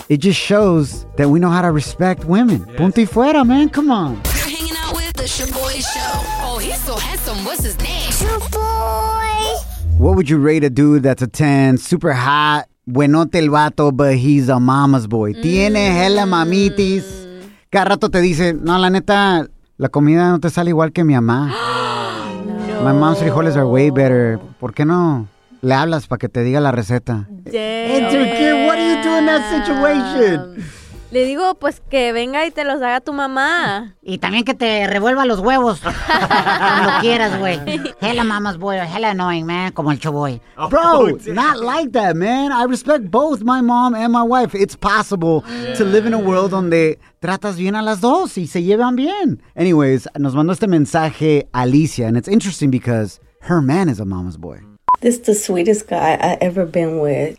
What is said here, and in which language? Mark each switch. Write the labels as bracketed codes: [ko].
[en] It just shows that we know how to respect women. Yes. [es] Punto y fuera, [en] man. Come on. You're hanging out with the Shaboy Show. So handsome, what's his name? Boy. What would you rate a dude that's a 10, super hot, [es] buenote el vato, [en] but he's a mama's boy? [es] Tiene hella mamitis. Cada rato te dice, no, la neta, la comida no te sale igual que mi mamá. [en] No. My mom's frijoles are way better. [es] ¿Por qué no le hablas para que te diga la receta? [en] Damn. Kid, what do you do in that situation? [es] Le digo, pues, que venga y te los haga tu mamá. Y también que te revuelva los huevos cuando quieras, güey. [en] Hella mama's boy, hella annoying, man, [es] como el Shaboy. [en] Oh, bro, oh, not like that, man. I respect both my mom and my wife. It's possible to live in a world [es] donde tratas bien a las dos y se llevan bien. [en] Anyways, [es] nos mandó este mensaje [en] Alicia, and it's interesting because her man is a mama's boy. This is the sweetest guy I ever been with.